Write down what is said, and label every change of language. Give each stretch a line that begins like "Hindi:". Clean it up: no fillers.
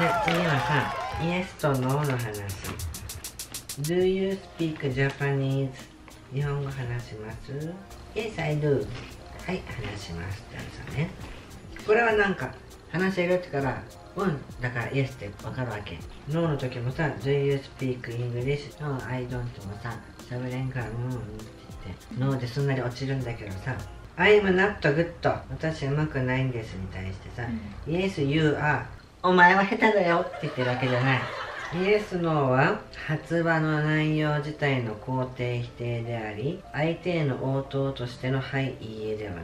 Japanese: で、次はさ、イエスとノーの話。
English: Do you speak Japanese?
Japanese: 日本語話します?
English: Yes, I do.
Japanese: はい、話しますってやつね。これはなんか、話せるってから、うん、だからイエスってわかるわけ。ノーの時もさ、
English: Do you speak English? No, I don't.
Japanese: もさ、しゃべれんから、うんって言って、ノーですんなり落ちるんだけどさ、
English: I'm not good.
Japanese: 私上手くないんですに対してさ、
English: Yes, you are.
Japanese: お前は下手だよって言ってるわけじゃない。イエス・ノーは発話の内容自体の肯定否定であり、相手への応答としてのはい、いいえではない。